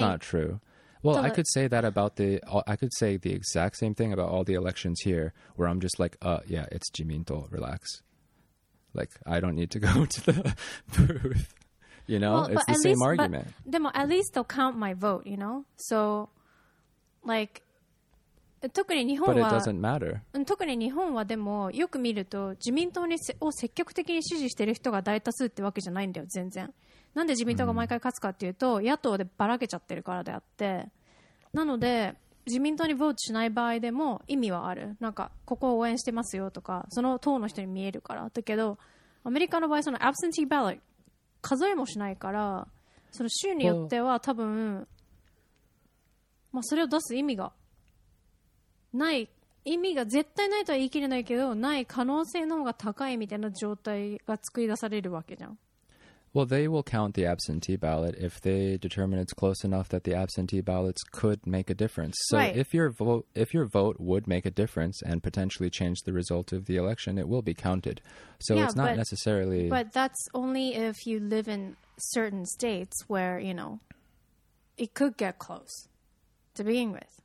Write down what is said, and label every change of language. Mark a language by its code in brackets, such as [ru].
[en] That's not true. Well, I could say that about the... I could say the exact same thing about all the elections here, where I'm just like, yeah, it's Jiminto, relax. Like, I don't need to go to the booth. You know, well, it's the same argument. But at least they'll count my vote, you know? So, like... [ja] 特に日本は、特に日本はでもよく見ると自民党にを積極的に支持している人が大多数ってわけじゃないんだよ全然。なんで自民党が毎回勝つかっていうと、野党でばらけちゃってるからであって、なので自民党にボートしない場合でも意味はある。なんかここを応援してますよとかその党の人に見えるから。だけどアメリカの場合その absentee ballot 数えもしないから、その州によっては多分、まあ、それを出す意味がない意味が絶対ないとは言い切れないけどない可能性の方が高いみたいな状態が作り出されるわけじゃん。 [en] Well, they will count the absentee ballot if they determine it's close enough that the absentee ballots could make a difference. So right. if your vote would make a difference and potentially change the result of the election, it will be counted. So yeah, it's not necessarily. But that's only if you live in certain states where you know it could get close to begin with.